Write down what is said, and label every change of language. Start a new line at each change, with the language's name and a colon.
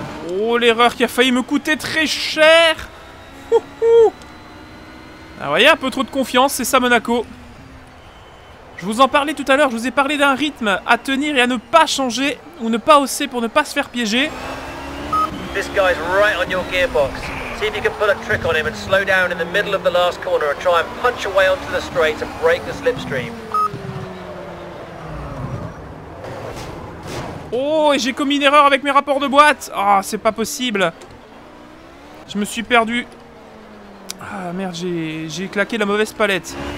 French: Oh, l'erreur qui a failli me coûter très cher. Ah, voyez, un peu trop de confiance, c'est ça Monaco. Je vous en parlais tout à l'heure, je vous ai parlé d'un rythme à tenir et à ne pas changer ou ne pas hausser pour ne pas se faire piéger.
English: This guy's right on your gearbox. See if you can pull a trick on him and slow down in the middle of the last corner and try and punch away onto the straight and break the slipstream.
French: Oh, et j'ai commis une erreur avec mes rapports de boîte. Ah, oh, c'est pas possible. Je me suis perdu. Ah merde, j'ai claqué la mauvaise palette.